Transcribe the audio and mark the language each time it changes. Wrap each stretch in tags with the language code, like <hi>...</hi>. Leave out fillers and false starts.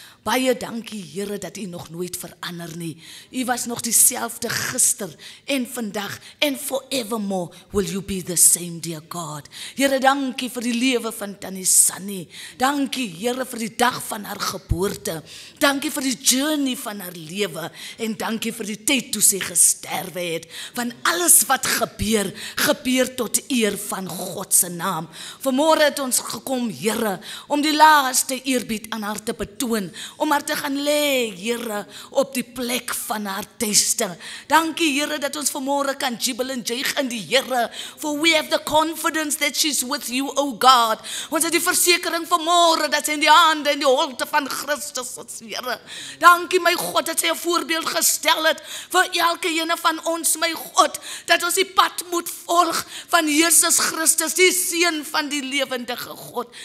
<af>Baie dankie, Here, dat u nog nooit verander nie. U was nog dieselfde gister en vandag en</af> <en>forevermore will you be the same, dear God.</en> <af>Here, dankie vir die lewe van Tannie Sannie. Dankie, Here, vir die dag van haar geboorte. Dankie vir die journey van haar lewe en dankie vir die tyd toe sy gesterwe het. Van alles wat gebeur, gebeur tot eer van God se naam. Vanmôre het ons gekom, Here, om die laaste eerbied aan haar te betoon. Om haar te gaan lê, Here, op die plek van haar tuiste. Dankie, Here, dat ons vanmôre kan jubel en juig in die Here.</af> <en>For we have the confidence that she's with you, O God.</en> <af>Ons het die versekering vanmôre dat sy in die hande en die holte van Christus is, Here. Dankie, my God, dat sy 'n voorbeeld gestel het vir elke ene van ons, my God. Dat ons die pad moet volg van Jesus Christus, die Seun van die lewendige God.</af>